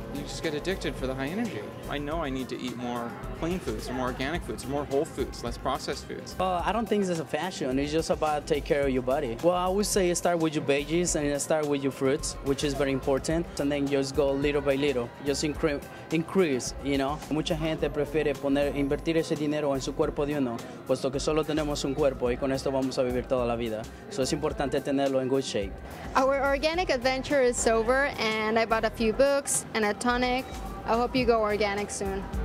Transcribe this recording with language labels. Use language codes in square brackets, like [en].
[en] You just get addicted for the high energy. I know I need to eat more clean foods, or more organic foods, or more whole foods, less processed foods. Well, I don't think this is a fashion. It's just about take care of your body. Well, I would say start with your veggies and start with your fruits, which is very important. And then just go little by little. Just increase, you know. [es] Mucha gente prefiere poner invertir ese dinero en su cuerpo de uno, puesto que solo tenemos un cuerpo y con esto vamos a vivir toda la vida. So es importante tenerlo en [en] good shape. Our organic adventure is over, and I bought a few books and a tonic. I hope you go organic soon.